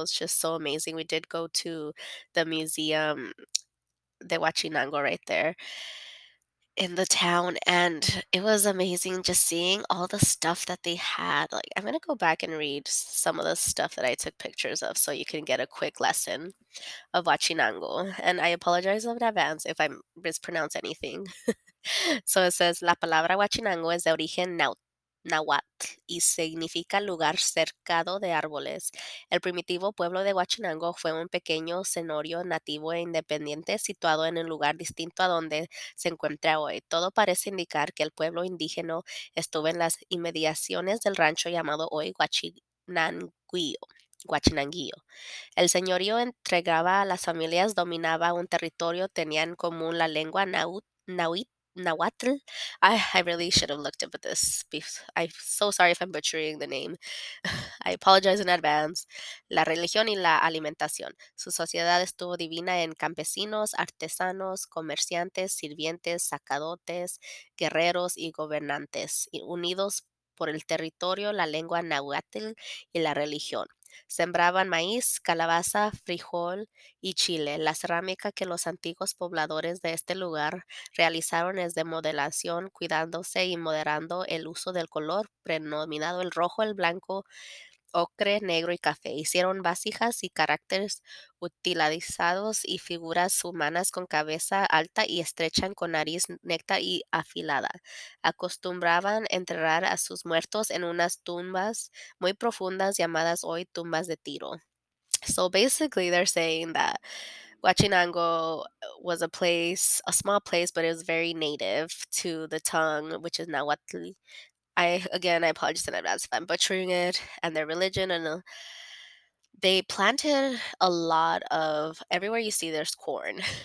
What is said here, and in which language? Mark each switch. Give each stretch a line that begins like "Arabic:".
English: It's just so amazing. We did go to the museum, the Guachinango, right there in the town, and it was amazing just seeing all the stuff that they had. Like, I'm gonna go back and read some of the stuff that I took pictures of so you can get a quick lesson of Huachinango. And I apologize in advance if I mispronounce anything. So it says,
Spanish: La palabra Huachinango es de origen náhuatl y significa lugar cercado de árboles. El primitivo pueblo de Huachinango fue un pequeño cenorio nativo e independiente situado en un lugar distinto a donde se encuentra hoy. Todo parece indicar que el pueblo indígena estuvo en las inmediaciones del rancho llamado hoy Huachinanguillo. El señorío entregaba a las familias, dominaba un territorio, tenía en común la lengua Nahuatl.
English: I really should have looked up at this. I'm so sorry if I'm butchering the name. I apologize in advance.
Spanish: La religión y la alimentación. Su sociedad estuvo divina en campesinos, artesanos, comerciantes, sirvientes, sacerdotes, guerreros y gobernantes, y unidos por el territorio, la lengua náhuatl y la religión. Sembraban maíz, calabaza, frijol y chile. La cerámica que los antiguos pobladores de este lugar realizaron es de modelación, cuidándose y moderando el uso del color, predominado el rojo, el blanco, ocre, negro y café. Hicieron vasijas y caracteres utilizados y figuras humanas con cabeza alta y estrecha, con nariz recta y afilada. Acostumbraban enterrar a sus muertos en unas tumbas muy profundas llamadas hoy tumbas de tiro.
English: So basically they're saying that Huachinango was a place, a small place, but it was very native to the tongue, which is Nahuatl. I apologize in advance if I'm butchering it, and their religion. And they planted a lot of, everywhere you see there's corn.